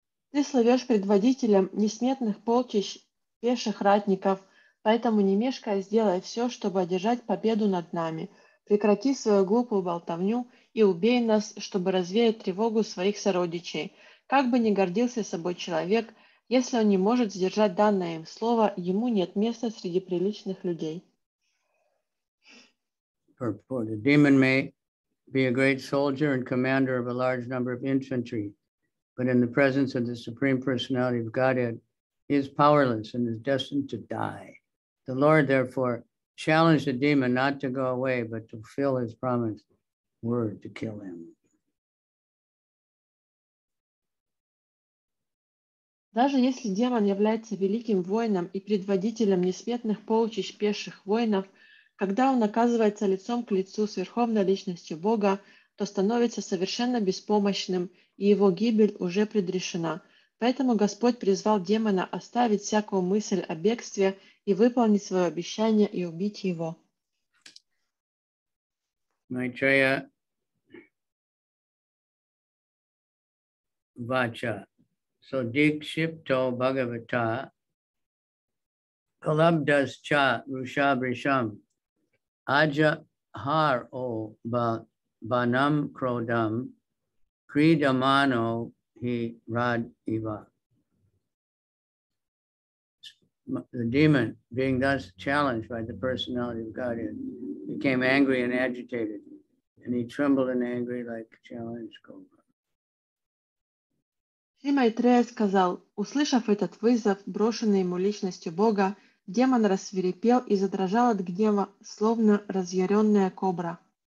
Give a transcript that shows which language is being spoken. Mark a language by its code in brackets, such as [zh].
[ru] Ты славишь предводителем несметных полчищ пеших ратников, поэтому не мешкая сделай все, чтобы одержать победу над нами. Прекрати свою глупую болтовню и убей нас, чтобы развеять тревогу своих сородичей. Как бы ни гордился собой человек, если он не может сдержать данное им слово, ему нет места среди приличных людей. [en] The demon may be a great soldier and commander of a large number of infantry. But in the presence of the Supreme Personality of Godhead, he is powerless and is destined to die. The Lord, therefore, challenged the demon not to go away, but to fulfill his promised word to kill him. [ru] Даже если демон является великим воином и предводителем несметных полчищ пеших воинов, когда он оказывается лицом к лицу с верховной личностью Бога, то становится совершенно беспомощным, и его гибель уже предрешена. Поэтому Господь призвал демона оставить всякую мысль о бегстве и выполнить свое обещание и убить его. [sa] Майтрея Вача. So дикшипто бхагавата калабдас ча рушабришам аджа хар о ба Banam Krodam Kridamano He Rad Iva. [en] The demon, being thus challenged by the personality of Godhead, became angry and agitated, and he trembled in anger like challenged cobra. [ru] Шри Майтрея сказал, услышав этот вызов, брошенный ему личностью Бога, демон рассвирепел и задрожал от гнева, словно разъяренная кобра.